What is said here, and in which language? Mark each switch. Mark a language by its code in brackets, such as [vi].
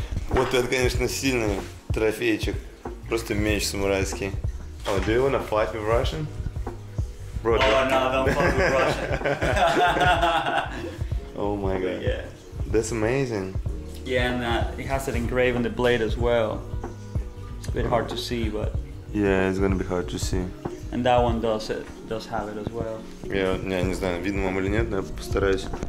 [ru] Вот это, конечно, сильный трофейчик. Просто меч самурайский. [en] Oh, do you want to fight with Russian? Bro, oh, no, don't fight with Russian. Oh my god. Yeah. That's amazing. Yeah, and it has it engraved on the blade as well. It's a bit hard to see, but... Yeah, it's gonna be hard to see. And that one does have it as well. [ru] Я не знаю, видно вам или нет, но я постараюсь.